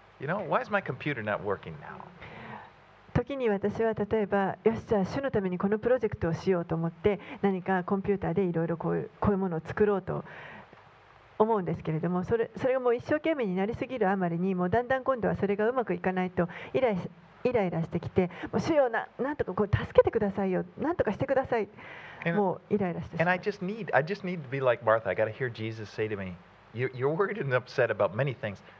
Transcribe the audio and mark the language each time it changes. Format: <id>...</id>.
<en>You know, why is my computer not working now?</en> <ja>時に私は例えばよしじゃあ主のためにこのプロジェクトをしようと思って何かコンピューターでいろいろこういうものを作ろうと思うんですけれどもそれがもう一生懸命になりすぎるあまりにもうだんだん今度はそれがうまくいかないとイライラしてきてもう主よ何とかこう助けてくださいよ何とかしてくださいもうイライラしてしまう</ja> <en>I just need to be like Martha. I got to hear Jesus say to me, you're worried and upset about many things.</en>